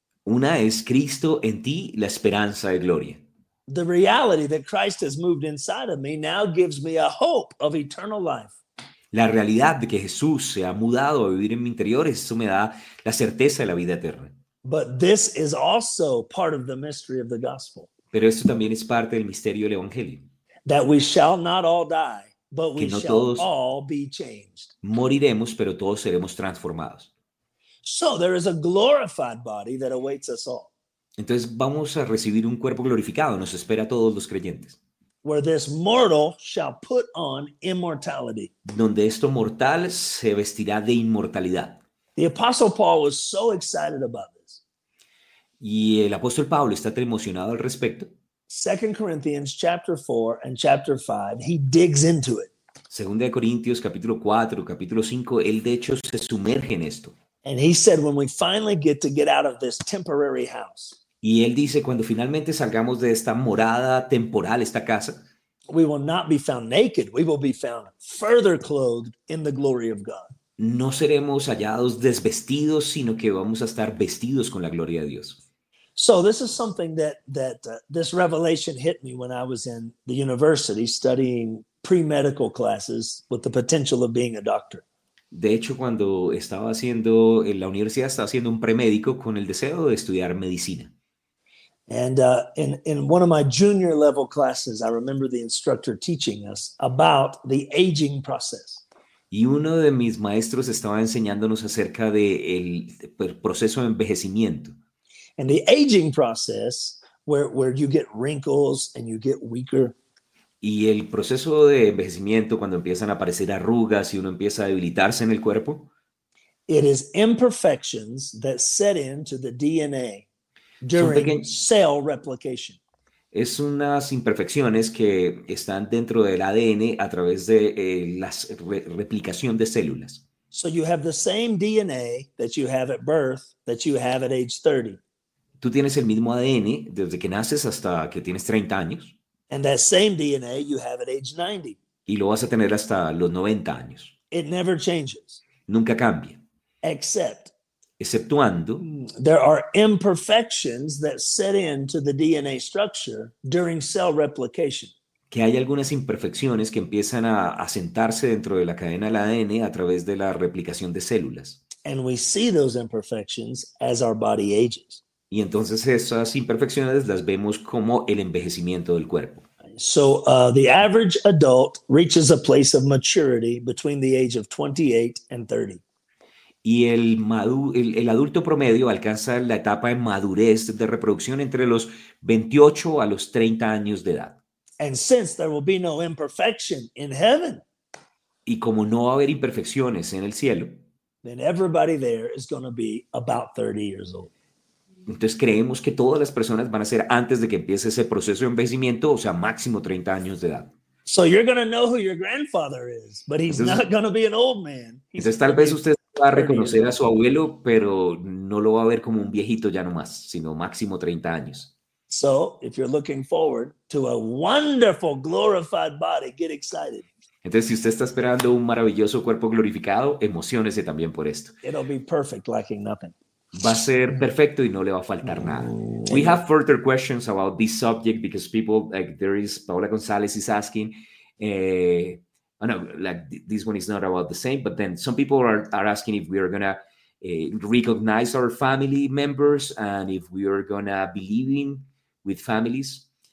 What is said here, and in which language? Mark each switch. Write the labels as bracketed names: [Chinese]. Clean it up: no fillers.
[Spanish] Una es Cristo en ti, la esperanza de gloria. [English] The reality that Christ has moved inside of me now gives me a hope of eternal life. [Spanish] La realidad de que Jesús se ha mudado a vivir en mi interior, eso me da la certeza de la vida eterna. [English] But this is also part of the mystery of the gospel. [Spanish] Pero esto también es parte del misterio del evangelio. [English] That we shall not all die, but we shall all be changed. [Spanish] Moriremos, pero todos seremos transformados. [English] So there is a glorified body that awaits us all. [Spanish] Entonces vamos a recibir un cuerpo glorificado, nos espera a todos los creyentes. [English] Where this mortal shall put on immortality. [Spanish] Donde esto mortal se vestirá de inmortalidad. [English] The Apostle Paul was so excited about this. [Spanish] Y el apóstol Pablo está tan emocionado al respecto. [English] 2 Corinthians chapter 4 and chapter 5, he digs into it. [Spanish] Segunda de Corintios capítulo 4, capítulo 5, él de hecho se sumerge en esto. [English] And he said, when we finally get to get out of this temporary house. [Spanish] Y él dice, cuando finalmente salgamos de esta morada temporal, esta casa, [English] we will not be found naked, we will be found further clothed in the glory of God. [Spanish] No seremos hallados desvestidos, sino que vamos a estar vestidos con la gloria de Dios. [English] So this is something that this revelation hit me when I was in the university studying pre-medical classes with the potential of being a doctor. [Spanish] De hecho, cuando estaba haciendo en la universidad, estaba haciendo un premédico con el deseo de estudiar medicina. [English] And in one of my junior level classes, I remember the instructor teaching us about the aging process. [Spanish] Y uno de mis maestros estaba enseñándonos acerca de el proceso de envejecimiento. [English] And the aging process, where you get wrinkles and you get weaker. [Spanish] Y el proceso de envejecimiento, cuando empiezan a aparecer arrugas y uno empieza a debilitarse en el cuerpo. [English] It is imperfections that set into the DNA during cell replication. [Spanish] Es unas imperfecciones que están dentro del ADN a través de la replicación de células. [English] So you have the same DNA that you have at birth, that you have at age 30. [Spanish] Tú tienes el mismo ADN desde que naces hasta que tienes 30 años. [English] And that same DNA you have at age 90. [Spanish] Y lo vas a tener hasta los 90 años. [English] It never changes. [Spanish] Nunca cambia. [English] Except. [Spanish] Exceptuando. [English] There are imperfections that set into the DNA structure during cell replication. [Spanish] Que hay algunas imperfecciones que empiezan a asentarse dentro de la cadena del ADN a través de la replicación de células. [English] And we see those imperfections as our body ages. [Spanish] Y entonces esas imperfecciones las vemos como el envejecimiento del cuerpo. [English] So the average adult reaches a place of maturity between the age of 28 and 30. [Spanish] Y el adulto promedio alcanza la etapa de madurez de reproducción entre los 28 a los 30 años de edad. [English] And since there will be no imperfection in heaven. [Spanish] Y como no va a haber imperfecciones en el cielo. [English] Then everybody there is going to be about 30 years old. [Spanish] Entonces creemos que todas las personas van a ser antes de que empiece ese proceso de envejecimiento, o sea, máximo 30 años de edad. [English] So you're going to know who your grandfather is, but he's entonces, not going to be an old man. [Spanish] Entonces, tal vez usted va a reconocer a su abuelo, pero no lo va a ver como un viejito ya nomás, sino máximo 30 años. [English] So, if you're looking forward to a wonderful glorified body, get excited. [Spanish] Entonces, si usted está esperando un maravilloso cuerpo glorificado, emociónese también por esto. [English] It'll be perfect, lacking nothing. [Spanish] Va a ser perfecto y no le va a faltar nada. [English] We have further questions about this subject because people, like there is, Paola González is asking, this one is not about the same, but then some people are asking if we are going to recognize our family members and if we are going to be living with families.